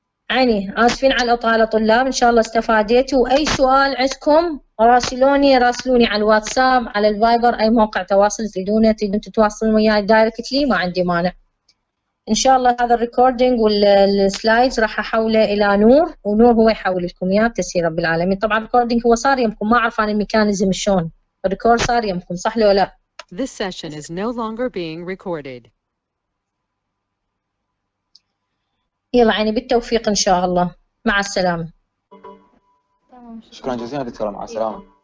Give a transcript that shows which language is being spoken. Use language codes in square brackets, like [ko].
[ar] عيني اسفين على الاطالة طلاب، ان شاء الله استفاديتوا، واي سؤال عندكم راسلوني، راسلوني على الواتساب على الفايبر اي موقع تواصل تريدونه تريدون تتواصلون وياي دايركتلي ما عندي مانع. ان شاء الله هذا الريكوردينج والسلايدز راح احوله الى نور، ونور هو يحول لكم اياه تسير رب العالمين. طبعا الريكوردينج هو صار يمكم، ما اعرف عن الميكانيزم شلون الريكورد صار يمكم، صح لو لا؟ [en] This session is no longer being recorded. [ar] يلا عيني بالتوفيق ان شاء الله، مع السلامه. شكرا جزيلا دكتوره، مع السلامه.